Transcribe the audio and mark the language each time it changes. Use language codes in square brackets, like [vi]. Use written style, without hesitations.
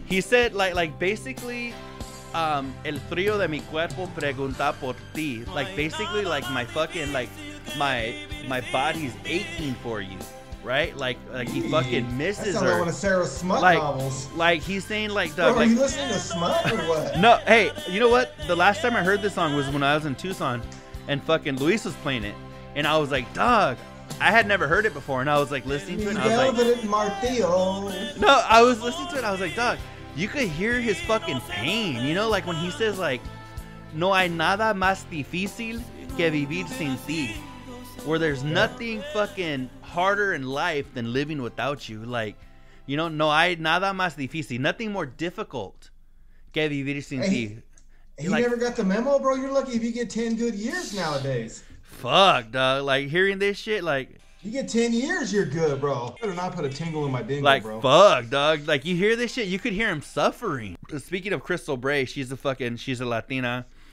[en] He said, like basically, [es] el frío de mi cuerpo pregunta por ti. [en] Like, basically, like, my fucking, like, my body's aching for you, right? Like he fucking misses that her. That sounds like one of Sarah's Smut novels. Like, he's saying, like, Doug. Bro, like, are you listening to Smut or what? No, hey, you know what? The last time I heard this song was when I was in Tucson and fucking Luis was playing it. And I was like, dog, I had never heard it before. And I was like listening to it. And I was like, no, I was listening to it. I was like, dog, you could hear his fucking pain. You know, like when he says, like, [es] no hay nada más difícil que vivir sin ti. [en] Where there's nothing fucking harder in life than living without you. Like, you know, [es] no hay nada más difícil. [en] Nothing more difficult [es] que vivir sin ti. [en] He like, never got the memo, bro? You're lucky if you get 10 good years nowadays. Fuck, dog. Like, hearing this shit, like... You get 10 years, you're good, bro. Better not put a tingle in my dingle, like, bro. Like, fuck, dog. Like, you hear this shit, you could hear him suffering. Speaking of Crystal Bray, she's a Latina.